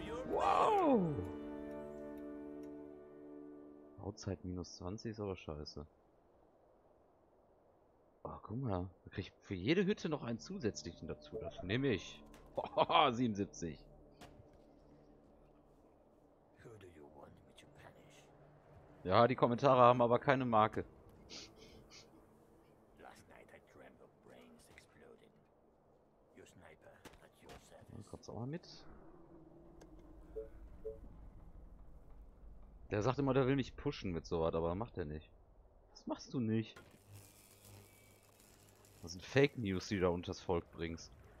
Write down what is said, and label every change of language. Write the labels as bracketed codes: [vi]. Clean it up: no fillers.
[de] Wow! Bauzeit minus 20 ist aber scheiße. Oh, guck mal. Da krieg ich für jede Hütte noch einen zusätzlichen dazu. Das nehme ich. Oh, 77. [en] Who do you want me to punish? [de] Ja, die Kommentare haben aber keine Marke. [en] Last night I dreamt of brains exploding. Your sniper at your service. [de] Kommt's auch mal mit? Der sagt immer, der will mich pushen mit sowas, aber macht er nicht. Das machst du nicht. Das sind Fake News, die du da unters Volk bringst.